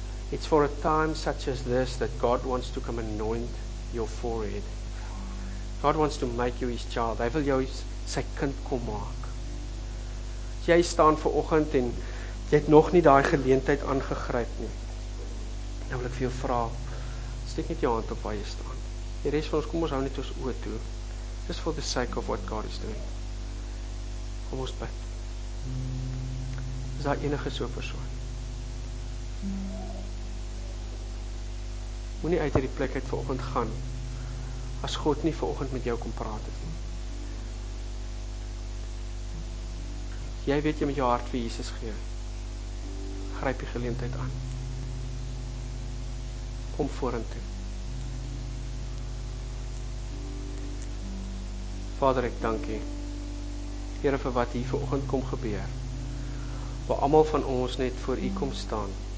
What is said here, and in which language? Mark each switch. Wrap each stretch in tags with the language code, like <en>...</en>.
<en>It's for a time such as this that God wants to come anoint your forehead. God wants to make you his child.</en> <af>Hy wil jou sy kind kom maak. As jy staan vanoggend en jy het nog nie daai geleentheid aangegryp nie, nou wil ek vir jou vra, steek net jou hand op waar jy staan. Die res van ons, kom ons hou net ons oë toe.</af> <en>Just for the sake of what God is doing.</en> <af>Kom ons bid. Is daar enige so persoon? Moenie uit hierdie plek uit vanoggend gaan as God nie vanoggend met jou kom praat het nie. Jy weet jy met jou hart vir Jesus gee. Gryp die geleentheid aan. Kom vorentoe. Vader, ek dank U. Here, vir wat hier vanoggend kom gebeur. Waar almal van ons net voor U kom staan.</af>